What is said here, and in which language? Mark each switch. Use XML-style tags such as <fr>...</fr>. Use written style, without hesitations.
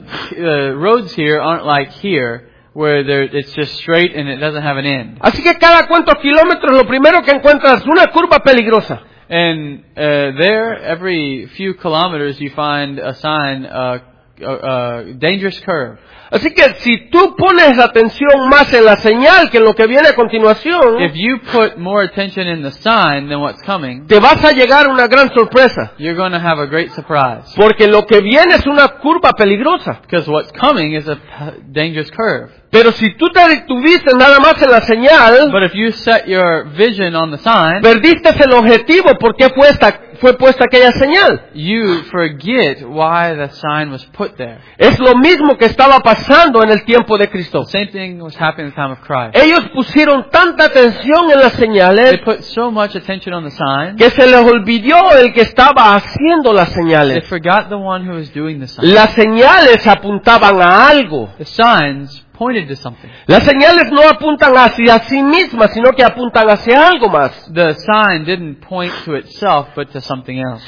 <en>The roads here aren't like here, where it's just straight and it doesn't have an end.</en> <es>Así que cada cuantos kilómetros lo primero que encuentras una curva peligrosa.</es> <en>And there, every few kilometers, you find a sign, a dangerous curve.</en> <es>Así que si tú pones atención más en la señal que en lo que viene a continuación,</es> <en>if you put more attention in the sign than what's coming,</en> <es>te vas a llegar una gran sorpresa.</es> <en>You're going to have a great surprise.</en> <es>Porque lo que viene es una curva peligrosa.</es> <en>Because what's coming is a dangerous curve.</en> <es>Pero si tú te detuviste nada más en la señal,</es> <en>but if you set your vision on the sign,</en> <es>perdiste el objetivo porque fue puesta aquella señal.</es> <en>You forget why the sign was put there.</en> <es>Es lo mismo que estaba pasando en el tiempo de Cristo.</es> <en>Same thing was happening in the time of Christ.</en> <es>Ellos pusieron tanta atención en las señales,</es> <en>they put so much attention on the sign,</en> <es>que se les olvidó el que estaba haciendo las señales.</es> <en>They forgot the one who was doing the sign.</en> <es>Las señales apuntaban a algo.</es> <en>The signs pointed to something.</en> <es>Las señales no apuntan hacia sí mismas, sino que apuntan hacia algo más.</es> <en>The sign didn't point to itself, but to something else.</en>